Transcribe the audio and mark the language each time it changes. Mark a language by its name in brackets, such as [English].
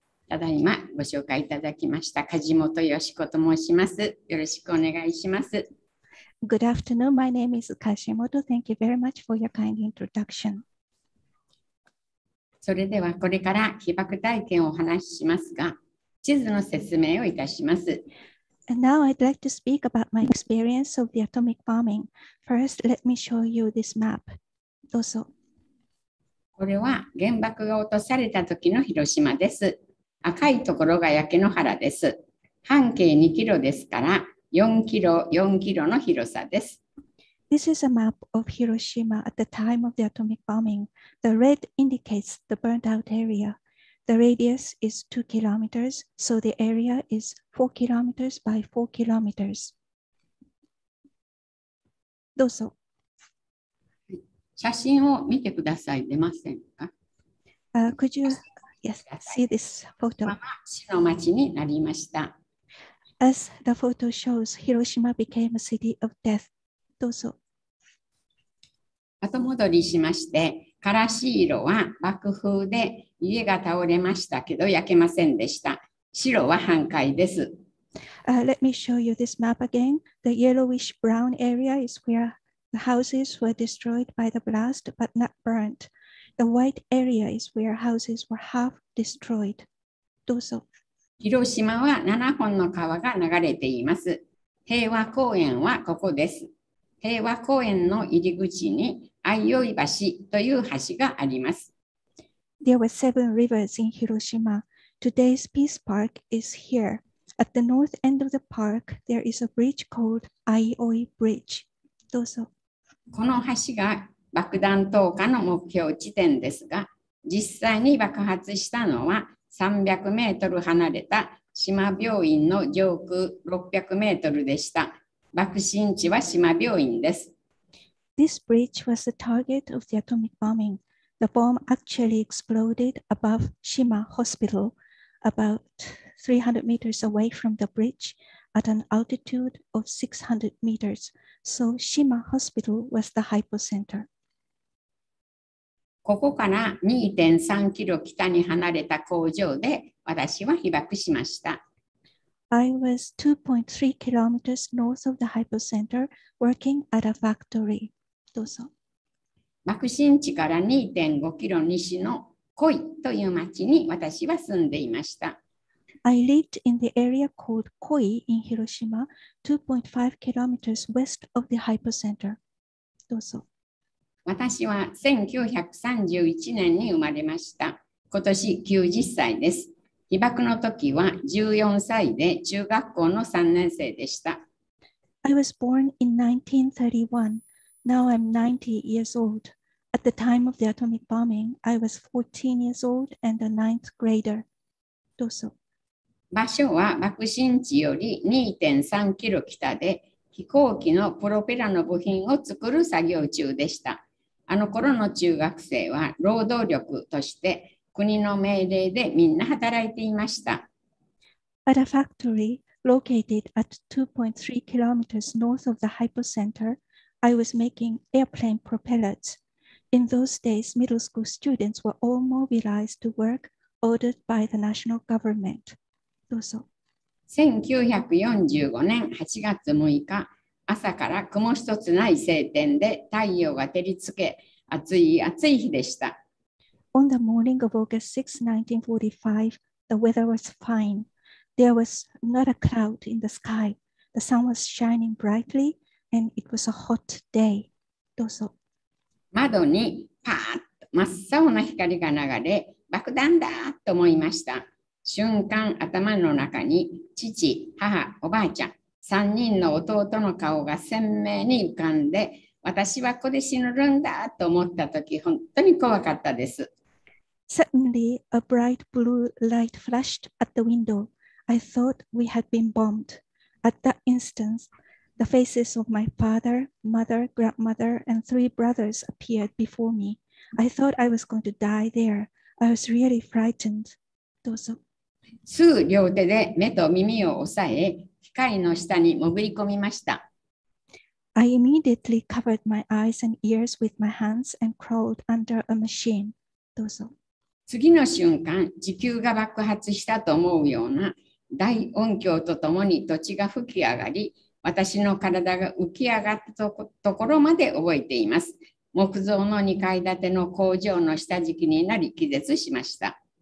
[Japanese] ただいまご紹介いただきました、梶本よしこと申します。よろしくお願いします。 [English] Good afternoon. My name is Kajimoto. Thank you very much for your kind introduction. [Japanese] それではこれから被爆体験をお話ししますが、地図の説明をいたします。 [English] And now I'd like to speak about my experience of the atomic bombing. First, let me show you this map. [Japanese] どうぞ。これは原爆が落とされた時の広島です。赤いところが焼け野原です。半径2キロですから、4キロ、4キロの広さです。 [English] This is a map of Hiroshima at the time of the atomic bombing. The red indicates the burnt out area. The radius is 2 kilometers, so the area is 4 kilometers by 4 kilometers. [Japanese] どうぞ。写真を見てください。出ませんか [English] Could you yes, see this photo? [Japanese] 市の町になりました。 [English] As the photo shows, Hiroshima became a city of death. [Japanese] どうぞ。後戻りしまして、からし色は爆風で家が倒れましたけど焼けませんでした。白は半壊です。 [English] Let me show you this map again. The yellowish brown area is where. The houses were destroyed by the blast, but not burnt. The white area is where houses were half destroyed. [Japanese] どうぞ。広島は7本の川が流れています。平和公園はここです。平和公園の入り口に愛宵橋という橋があります。 [English] There were 7 rivers in Hiroshima. Today's Peace Park is here. At the north end of the park, there is a bridge called Aioi Bridge. [Japanese] どうぞ。この橋が爆弾投下の目標地点ですが、実際に爆発したのは300メートル離れた島病院の上空600メートルでした。爆心地は島病院です。 [English] This bridge was the target of the atomic bombing. The bomb actually exploded above Shima Hospital, about 300 meters away from the bridge. At an altitude of 600 meters, so Shima Hospital was the hypocenter. [Japanese] ここから 2.3 キロ北に離れた工場で私は被爆しました。 [English] I was 2.3 kilometers north of the hypocenter working at a factory. [Japanese] どうぞ。爆心地から 2.5 キロ西のコイという町に私は住んでいました。 [English] I lived in the area called Koi in Hiroshima, 2.5 kilometers west of the hypocenter. [Japanese] どうぞ。私は1931年に生まれました。今年90歳です。被爆の時は14歳で中学校の3年生でした。 [English] I was born in 1931. Now I'm 90 years old. At the time of the atomic bombing, I was 14 years old and a ninth grader. [Japanese] どうぞ。場所は爆心地より 2.3 キロ北で飛行機のプロペラの部品を作る作業中でした。あの頃の中学生は労働力として国の命令でみんな働いていました。 [English] At a factory located at 2.3 kilometers north of the hypocenter, I was making airplane propellers. In those days, middle school students were all mobilized to work ordered by the national government. [Japanese] どうぞ。 1945年8月6日、朝から雲一つない晴天で太陽が照りつけ、暑い暑い日でした。 [English] On the morning of August 6, 1945, the weather was fine. There was not a cloud in the sky. The sun was shining brightly, and it was a hot day. [Japanese] どうぞ。窓にパーッと真っ青な光が流れ、爆弾だと思いました。瞬間頭の中に父、母、おばあちゃん、3人の弟の顔が鮮明に浮かんで、私はここで死ぬんだと思ったとき、本当に怖かったです。 [English] Suddenly, a bright blue light flashed at the window. I thought we had been bombed. At that instant, the faces of my father, mother, grandmother, and three brothers appeared before me. I thought I was going to die there. I was really frightened. [Japanese] どうぞ。すぐ両手で目と耳を押さえ、機械の下に潜り込みました。 [English] I immediately covered my eyes and ears with my hands and crawled under a machine. [Japanese] どうぞ。次の瞬間、地球が爆発したと思うような大音響とともに土地が吹き上がり、私の体が浮き上がったところまで覚えています。木造の2階建ての工場の下敷きになり気絶しました。